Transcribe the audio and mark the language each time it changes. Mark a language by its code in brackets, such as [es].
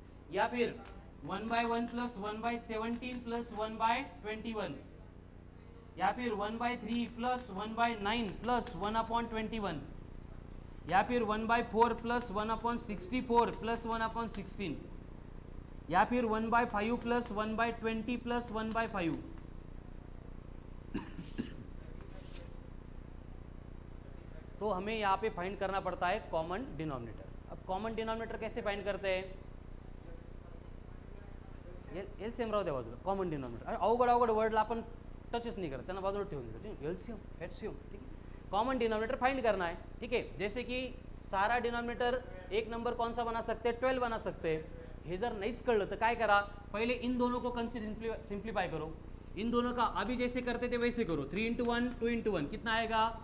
[hi] या फिर 1/1 + 1/17 + 1/21 या फिर 1/3 + 1/9 + 1/21 या फिर 1/4 + 1/64 + 1/16 या फिर 1/5 + 1/20 + 1/5 तो हमें यहाँ पे फाइंड करना पड़ता है कॉमन डिनोमिनेटर। अब कॉमन डिनोमिनेटर कैसे फाइंड करते हैं? [mr] एलसीएम राहू द्या बाजूला, कॉमन डिनोमिनेटर अवघड अवघड वर्डला आपण टचच नाही करत, त्यांना बाजूला ठेवून देतो। [hi] एलसीएम एचसीएम [mr] ठीक आहे, [hi] कॉमन डिनोमिनेटर फाइंड करना है ठीक है। जैसे कि सारा डिनोमिनेटर एक नंबर कौन सा बना सकते हैं? 12 बना सकते हैं। [mr] हे जर नहींच कळलं तर काय करा, [hi] पहिले इन दोनों को कन्सिडर सिंप्लीफाई करो, इन दोनों का अभी जैसे करते थे वैसे करो, 3 × 1 × 2 × 1 कितना आएगा?